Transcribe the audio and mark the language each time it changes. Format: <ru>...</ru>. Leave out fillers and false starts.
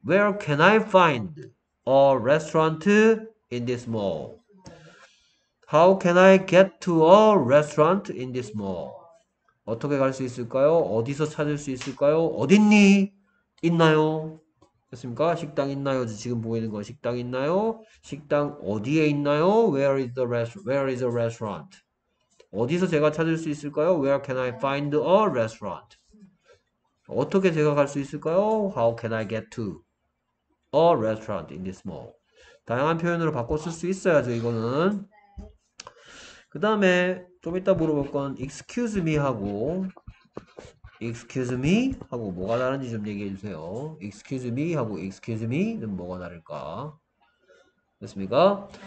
<en>Where can I find a restaurant in this mall? How can I get to a restaurant in this mall?</en> <ko>어떻게 갈 수 있을까요? 어디서 찾을 수 있을까요? 어딨니? 있나요? 됐습니까? 식당 있나요? 지금 보이는 거 식당 있나요? 식당 어디에 있나요?</ko> <en>Where is the restaurant?</en> <ko>어디서 제가 찾을 수 있을까요?</ko> <en>Where can I find a restaurant?</en> <ko>어떻게 제가 갈 수 있을까요?</ko> <en>How can I get to a restaurant in this mall?</en> <ko>다양한 표현으로 바꿔 쓸 수 있어야죠, 이거는. 그 다음에 좀 이따 물어볼 건 excuse me 하고 excuse me 하고 뭐가 다른지 좀 얘기해 주세요. excuse me 하고 excuse me는 뭐가 다를까? 됐습니까?</ko>